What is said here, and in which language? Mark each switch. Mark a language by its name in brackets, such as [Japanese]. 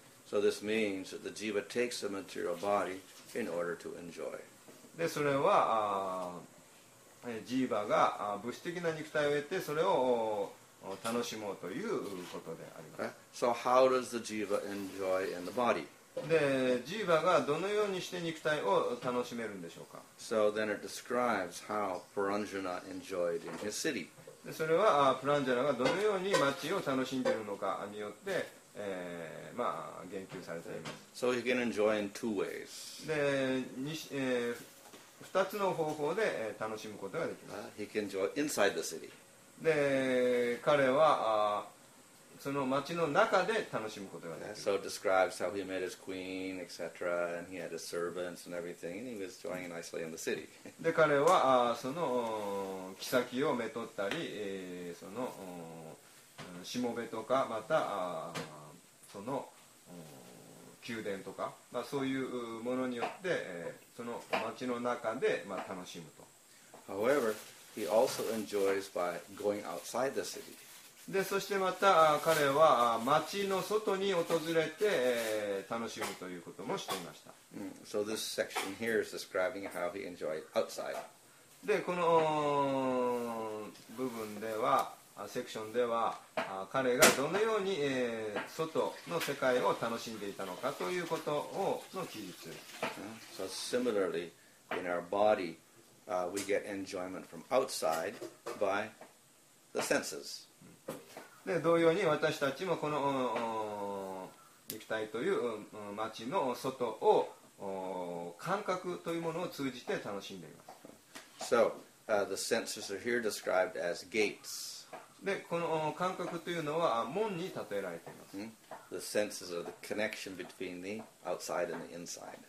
[English] So this means that the jiva takes a material body in order to enjoy. [Japanese] でそれはジーバが物質的な肉体を得てそれを楽しもうということであります。 [English] So how does the jiva enjoy in the body? [Japanese] で、ジーバがどのようにして肉体を楽しめるんでしょうか。 [English] So then it describes how Puranjana enjoyed in his city. [Japanese] で、それはプランジャナがどのように町を楽しんでいるのかによって、まあ、言及されています。 [English] So he can enjoy in two ways. [Japanese] で、二つの方法で楽しむことができます。 [English] He can enjoy inside the city. [Japanese] で、彼はその町の中で楽しむことができます。 [English] So it describes how he met his queen, etc. And he had his servants and everything. And he was enjoying nicely in the city. [Japanese] で、彼はその妃をめとったり、そのしもべとか、またその宮殿とか、まあ、そういうものによって、その町の中で、まあ、楽しむと。 [English] However, he also enjoys by going outside the city. [Japanese] で、そしてまた彼は町の外に訪れて楽しむということもしていました。 [English] So this section here is describing how he enjoyed outside. [Japanese] で、この部分では、セクションでは彼がどのように外の世界を楽しんでいたのかということをの記述。 [English] So similarly, in our body, we get enjoyment from outside by the senses. [Japanese] で同様に私たちもこの肉体という町の外を感覚というものを通じて楽しんでいます。 [English] So, the senses are here described as gates. [Japanese] でこの感覚というのは門に例えられています。 [English] Mm-hmm. The senses are the connection between the outside and the inside.